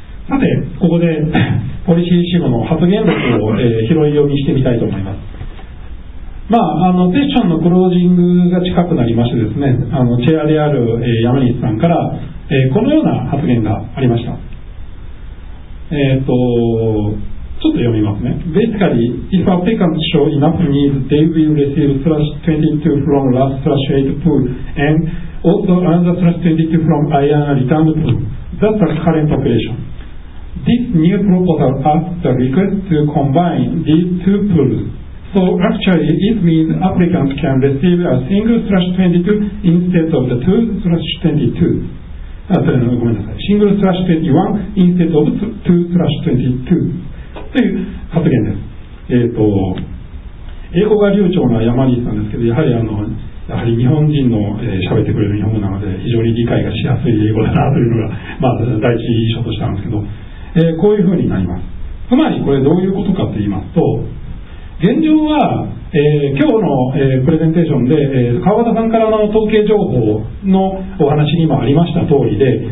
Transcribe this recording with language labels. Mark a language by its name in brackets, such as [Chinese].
[Japanese] さて、ここでポリシーシグの発言録を、拾い読みしてみたいと思います。まあ、セッションのクロージングが近くなりましてですね、チェアである、山西さんから、このような発言がありました。ちょっと読みますね。 [English] Basically, if applicants show enough needs, they will receive /22 from last /8 pool and also another /22 from IANA return pool. That's the current operation. This new proposal asks the request to combine these two pools. So actually, it means applicants can receive a single slash 22 instead of the two slash 22. Single slash 21 instead of 2 slash 22 という発言です。 [Japanese] 英語が流暢な山西さんですけど、やはり日本人の喋ってくれる日本語なので非常に理解がしやすい英語だなというのが、まあ、第一印象としてなんですけど、こういうふうになります。つまりこれどういうことかと言いますと、現状は、今日の、プレゼンテーションで、川端さんからの統計情報のお話にもありました通りで、